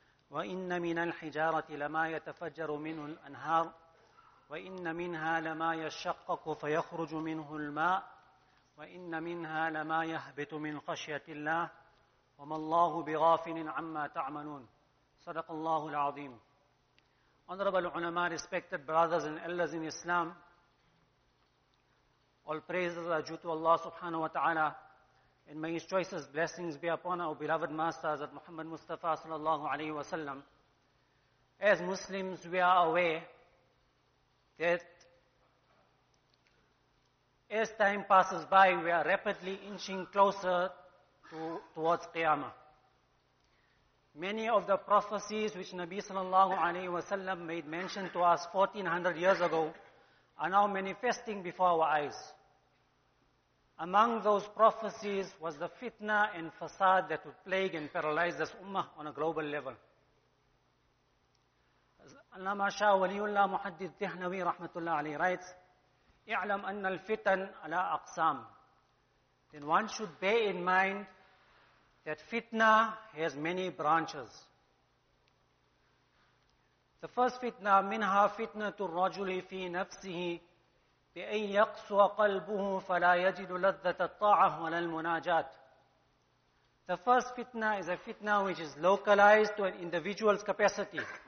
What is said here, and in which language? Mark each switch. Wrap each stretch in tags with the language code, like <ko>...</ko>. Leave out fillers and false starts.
<ar>وإن من الحجارة لما يتفجر منه الأنهار وإن منها لما يشقق فيخرج منه الماء وإن منها لما يهبط من خشية الله وما الله بغافل عما تعملون صدق الله العظيم.</ar> <en>Honorable ulama, respected brothers and elders in Islam, all praises are due to Allah subhanahu wa ta'ala, and may His choicest blessings be upon our beloved master, Hazrat Muhammad Mustafa sallallahu alayhi wa sallam. As Muslims, we are aware that as time passes by, we are rapidly inching closer towards Qiyamah. Many of the prophecies which Nabi sallallahu alayhi wa sallam made mention to us 1400 years ago are now manifesting before our eyes. Among those prophecies was the fitna and fasad that would plague and paralyze this ummah on a global level. Allama Shah Waliullah Muhaddith Dihnawi rahmatullah alayhi writes,</en> <ar>"I'lam anna al-fitan ala aqsam."</ar> <en>Then one should bear in mind that fitna has many branches. The first fitna,</en> <ar>minha fitnatu ar-rajuli fi nafsihi بأن يقسو قلبه فلا يجد لذة الطاعة ولا المناجات.</ar> <en>The first fitna is a fitna which is localized to an individual's capacity.</en>